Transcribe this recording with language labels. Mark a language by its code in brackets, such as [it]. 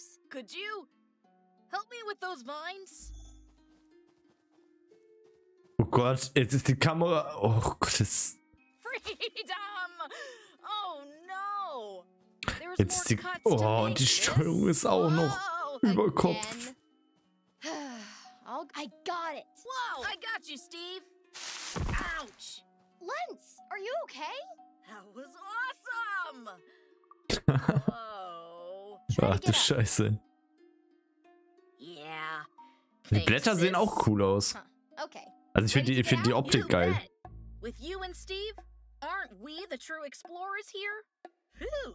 [en] Could you help me with those vines? [de] Oh Gott, jetzt ist die Kamera. Oh Gott, das ist. [en] Freedom! Oh no! [de] Jetzt ist die. Oh, und die Steuerung ist auch noch über Kopf. [en] Oh, I got it! Whoa! I got you, Steve! Ouch! Lenz, are you okay? That was awesome! [de] Ach du Scheiße. Die Blätter sehen auch cool aus. Also ich finde die Optik geil. [en] With you and Steve, aren't we the true explorers here?